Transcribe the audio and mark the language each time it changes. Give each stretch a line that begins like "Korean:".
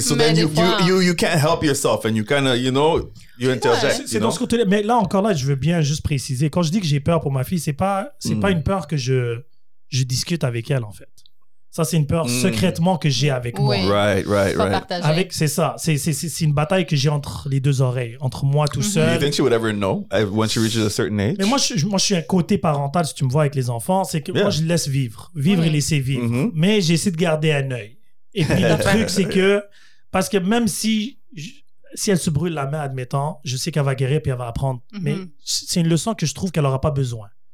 English: So then you can't help yourself and you kind of, you know, you interject.
French: Mais là encore là, je veux bien juste préciser. Quand je dis que j'ai peur pour ma fille, c'est pas une peur que je discute avec elle en fait. Ça c'est une peur secrètement que j'ai avec moi.
English: Right.
French: Avec c'est ça. C'est une bataille que j'ai entre les deux oreilles, entre moi tout seul.
English: You think she would ever know once she reaches a certain age?
French: Mais moi je suis un côté parental si tu me vois avec les enfants, c'est que moi je laisse vivre et laisser vivre. Mm-hmm. Mais j'essaie de garder un œil. Et puis le truc c'est que parce que même si elle se brûle la main admettant, je sais qu'elle va guérir puis elle va apprendre. Mm-hmm. Mais c'est une leçon que je trouve qu'elle aura pas besoin.